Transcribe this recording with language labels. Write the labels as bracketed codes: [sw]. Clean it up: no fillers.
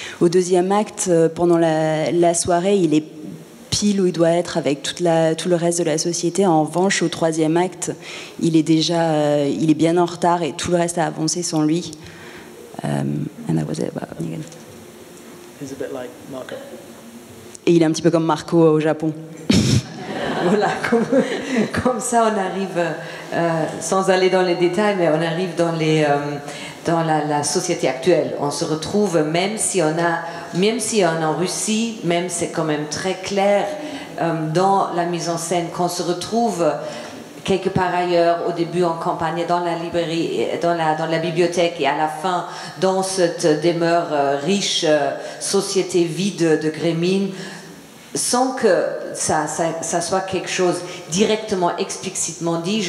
[fr] Au deuxième acte, pendant la soirée, il est pile où il doit être avec tout le reste de la société. En revanche, au troisième acte, il est déjà il est bien en retard et tout le reste a avancé sans lui. [en] And that was it about Onegin. He's a bit like Marco. [fr] Et il est un petit peu comme Marco au Japon. Voilà, comme ça on arrive, sans aller dans les détails, mais on arrive dans la société actuelle. On se retrouve, même si on est en Russie, même c'est quand même très clair dans la mise en scène, qu'on se retrouve quelque part ailleurs, au début en campagne, dans la librairie, dans la bibliothèque, et à la fin dans cette demeure riche, société vide de Grémin, sans que ça soit quelque chose directement, explicitement dit.